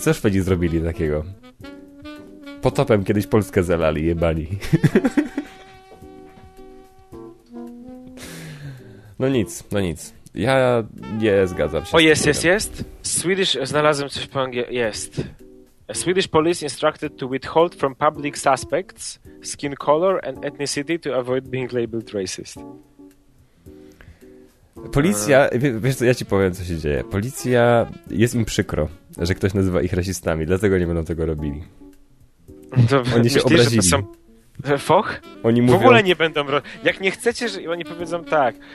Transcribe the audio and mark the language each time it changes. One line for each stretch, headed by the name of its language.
Polish: Co Szwedzi zrobili takiego? Potopem kiedyś Polskę zalali, jebali. No nic. Ja nie zgadzam się. O, jest. Swedish, znalazłem coś po angielsku. Jest.
English: A Swedish police instructed to withhold from public suspects skin color and ethnicity to avoid being labeled racist.
Polish: Policja, wiesz co, ja ci powiem, co się dzieje. Policja, jest im przykro, że ktoś nazywa ich rasistami, dlatego nie będą tego robili. Oni się obrazili. Że to są... Foch? Oni mówią... W ogóle nie będą... Jak nie chcecie, że... Oni powiedzą tak.